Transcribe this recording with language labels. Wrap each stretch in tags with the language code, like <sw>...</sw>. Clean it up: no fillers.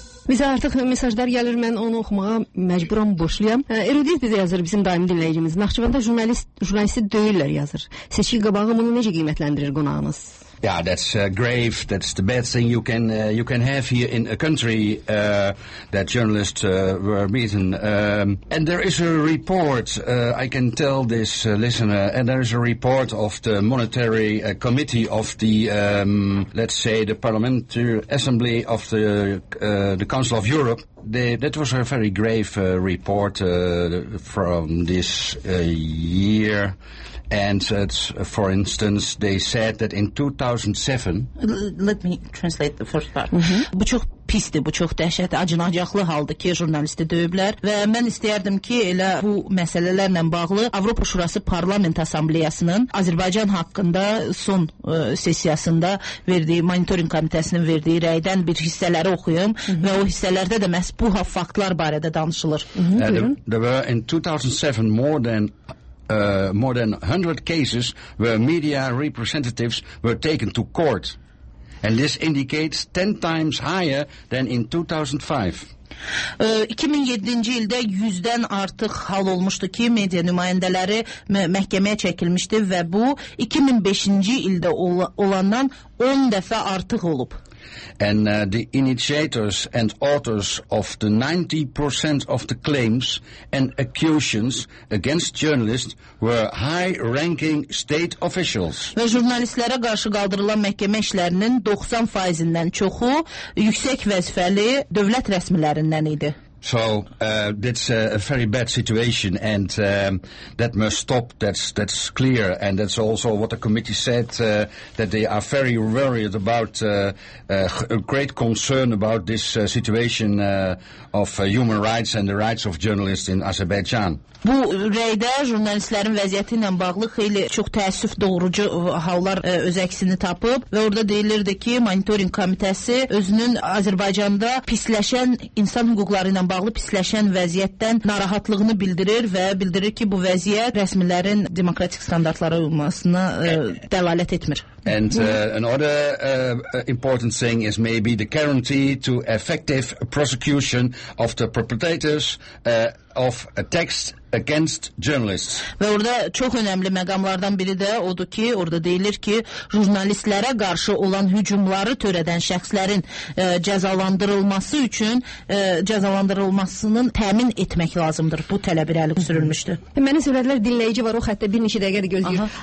<az>Bizə artıq mesajlar gəlir, mən onu oxumağa məcburam, boşluyam. Erudit bizə yazır, bizim daim dinləyicimiz. Naxçıvanda jurnalisti döyürlər yazır. Seçki qabağı bunu necə qiymətləndirir qonağınız?</az> <en>Yeah, that's grave. That's the bad thing you can have here in a country that journalists were beaten. And there is a report. I can tell this listener. And there is a report of the Monetary Committee of the let's say the Parliamentary Assembly of the Council of Europe. That was a very grave report from this year. And for instance, they said that in 2007... Let me translate the first part.</en> <az>Bu çox pisdir, bu çox dəhşət, acınacaqlı haldır ki, jurnalisti döyüblər. Və mən istəyərdim ki, elə bu məsələlərlə bağlı Avropa Şurası Parlament Asambleyasının Azərbaycan haqqında son sesiyasında verdiyi, monitoring komitəsinin verdiyi rəydən bir hissələri oxuyum. Və o hissələrdə də məhz bu faktlar barədə danışılır.</az> <en>There were in 2007 more than 100 cases where media representatives were taken to court. And this indicates 10 times higher than in 2005.</en> <az>2007-ci ildə 100-dən artıq hal olmuşdu ki, media nümayəndələri məhkəməyə çəkilmişdi və bu 2005-ci ildə olandan 10 dəfə artıq olub.</az> <en>And the initiators and authors of the 90% of the claims and accusations against journalists were high-ranking state officials.</en> <az>Və jurnalistlərə qarşı qaldırılan məhkəmə işlərinin 90%-dən çoxu yüksək vəzifəli dövlət rəsmilərindən idi.</az> <en>So that's a very bad situation, and that must stop. That's clear, and that's also what the committee said, that they are very worried about, a great concern about this situation of human rights and the rights of journalists in Azerbaijan.</en> <az>Bu rəydə jurnalistlərin vəziyyəti ilə bağlı xeyli çox təəssüf doğurucu hallar öz əksini tapıb və orada deyilirdi ki, monitoring komitəsi özünün Azərbaycanda pisləşən insan hüquqları ilə bağlı pisləşən vəziyyətdən narahatlığını bildirir və bildirir ki, bu vəziyyət rəsmilərin demokratik standartlara uymasına dəlalət etmir.</az> <en>And another important thing is maybe the guarantee to effective prosecution of the perpetrators of attacks against journalists.</en> <az>Və orada çox önəmli məqamlardan biri də odur ki, orada deyilir ki, jurnalistlərə qarşı olan hücumları törədən şəxslərin cəzalandırılması üçün cəzalandırılmasının təmin etmək lazımdır. Bu tələb irəli sürülmüşdü. Mənim söylədilər, dinləyici var, o xəttə bir neçə dəqiqə də gözləyir.</az>